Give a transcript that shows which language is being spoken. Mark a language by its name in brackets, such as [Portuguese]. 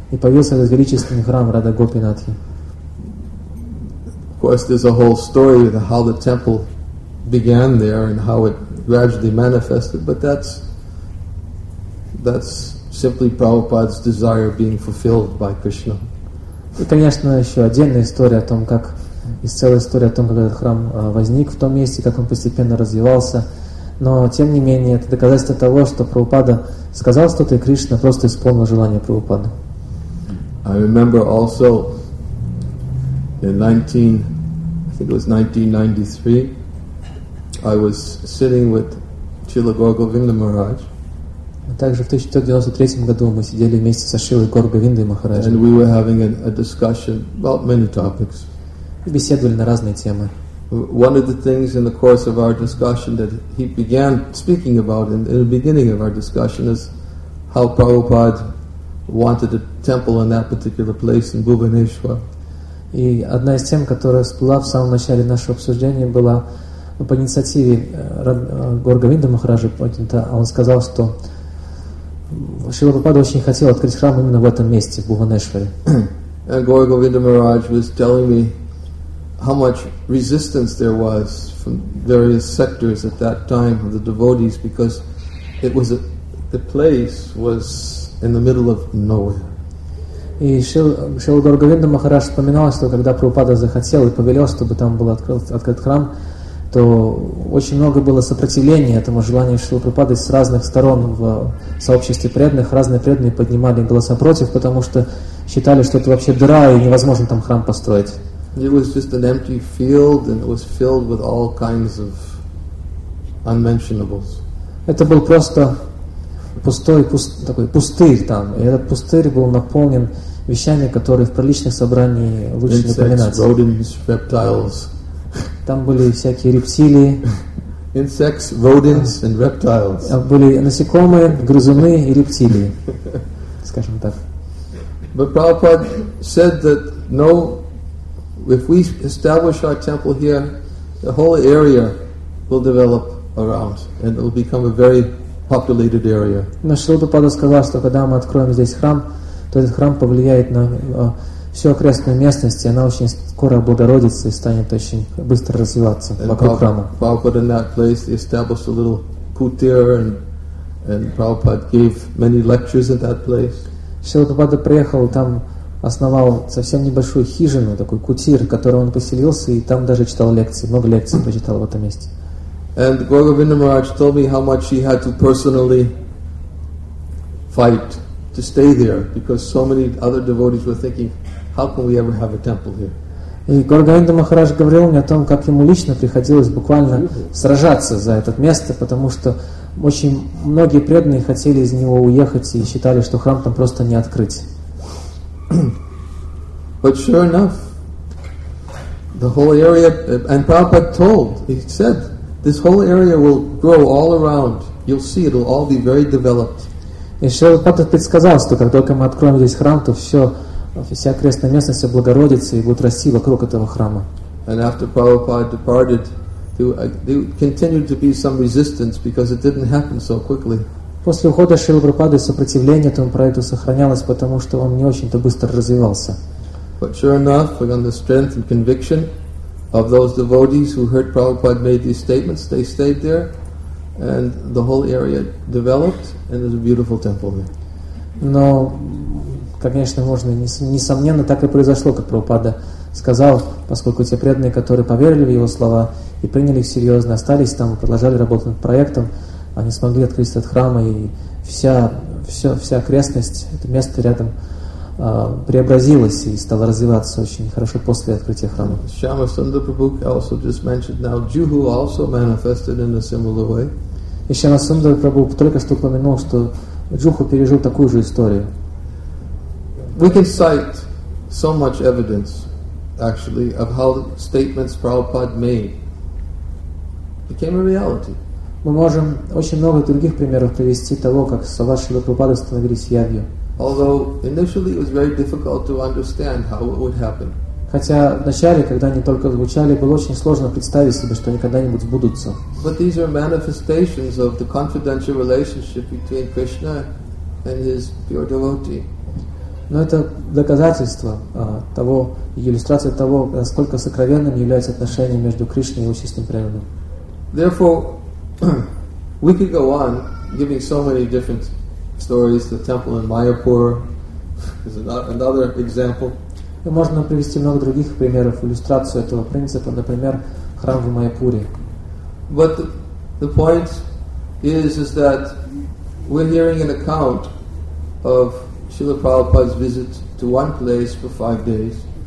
[Russian] И появился этот величественный храм Радха Гопинатхи. [English] Of course, there's a whole story of how the temple began there and how it gradually manifested, but that's simply Prabhupada's desire being fulfilled by Krishna. [Russian] И, конечно, еще отдельная история о том, как из целой истории о том, как этот храм возник в том месте, как он постепенно развивался. Но, тем не менее, это доказательство того, что Прабхупада сказал что-то, и Кришна просто исполнил желание Прабхупады. [English] I remember also in 1993, I was sitting with Srila Gaura Govinda Maharaj. [Russian] Также в 1993 году мы сидели вместе со Шрилой Гаура Говиндой Махараджем. [English] And we were having a discussion about many topics. [Russian] И беседовали на разные темы. [English] One of the things in the course of our discussion that he began speaking about in the beginning of our discussion is how Prabhupada wanted a temple in that particular place in Bhubaneswar. [Russian] И одна из тем, которая всплыла в самом начале нашего обсуждения, была по инициативе Гаура Говинды Махараджа поднята. Он сказал, что Шрила Прабхупада очень хотел открыть храм именно в этом месте, в Бхуванешваре. [English] And Gaura Govinda Maharaj was telling me how much resistance there was from various sectors at that time of the devotees, because the place was in the middle of nowhere. [Russian] И Шрила Гаура Говинда Махарадж вспоминал, что когда Прабхупада захотел и повелел, чтобы там был открыт храм, то очень много было сопротивления этому желанию Шрилы Прабхупады с разных сторон в сообществе преданных. Разные преданные поднимали голоса против, потому что считали, что это вообще дыра, и невозможно там храм построить. [English] It was just an empty field, and it was filled with all kinds of unmentionables. [Russian] Это был просто пустырь там. И этот пустырь был наполнен вещами, которые в приличных собраниях лучше не упоминаться. [English] Insects, rodents, reptiles. [Russian] там были всякие рептилии. [English] Insects, rodents, and reptiles. [Russian] Были насекомые, грызуны и рептилии, скажем так. [English] But Prabhupada said that no, if we establish our temple here, the whole area will develop around, and it will become a very populated area. [Russian] Но Шрила Прабхупада сказал, что когда мы откроем здесь храм, то этот храм повлияет на всю окрестную местность, и она очень скоро облагородится и станет очень быстро развиваться вокруг храма. [English] Prabhupada in that place established a little puter, and Prabhupada gave many lectures at that place. [Russian] Шрила Прабхупада приехал там, основал совсем небольшую хижину, такой кутир, в котором он поселился, и там даже читал лекции, много лекций прочитал в этом месте. [English] And Gaura Vinda Maharaj told me how much he had to personally fight to stay there, because so many other devotees were thinking, how can we ever have a temple here? [Russian] И Гаура Винда Махарадж говорил мне о том, как ему лично приходилось буквально сражаться за это место, потому что очень многие преданные хотели из него уехать и считали, что храм там просто не открыть. [English] But sure enough, the whole area, and Prabhupada told, he said, this whole area will grow all around. You'll see, it'll all be very developed. [Russian] И Шрила Прабхупада предсказал, что как только мы откроем здесь храм, то все, вся окрестная местность облагородится и будет расти вокруг этого храма. [English] And after Prabhupada departed, there continued to be some resistance because it didn't happen so quickly. [Russian] После ухода Шрилы Прабхупады сопротивление этому проекту сохранялось, потому что он не очень-то быстро развивался. [English] But sure enough, on the strength and conviction of those devotees who heard Prabhupada made these statements, they stayed there, and the whole area developed, and there's a beautiful temple there. [Russian] Но, конечно, можно, несомненно, так и произошло, как Прабхупада сказал, поскольку те преданные, которые поверили в его слова и приняли их серьезно, остались там, продолжали работать над проектом, они смогли открыть этот храм, и вся окрестность, это место рядом преобразилось и стало развиваться очень хорошо после открытия храма. [English] Шьяма Сунда Прабху also just mentioned now, Джуху also manifested in a similar way. [Russian] И Шьяма Сунда Прабху только что упомянул, что Джуху пережил такую же историю. [English] We can cite so much evidence, actually, of how statements Prabhupada made became a reality. [Russian] Мы можем очень много других примеров привести того, как слова Шрилы Прабхупады становились явью. [English] Although initially it was very difficult to understand how it would happen. [Russian] Хотя вначале, когда они только звучали, было очень сложно представить себе, что они когда-нибудь сбудутся. [English] But these are manifestations of the confidential relationship between Krishna and his pure devotee. [Russian] Но это доказательство того, иллюстрация того, насколько сокровенным является отношение между Кришной и его чистым преданным. [English] Therefore, we could go on giving so many different stories. The temple in Mayapur is another example. [Russian] И можно привести много других примеров, иллюстрацию этого принципа, например, храм в Майяпуре. [English] But the point is that we're hearing an account of Srila Prabhupada's visit to one place for 5 days.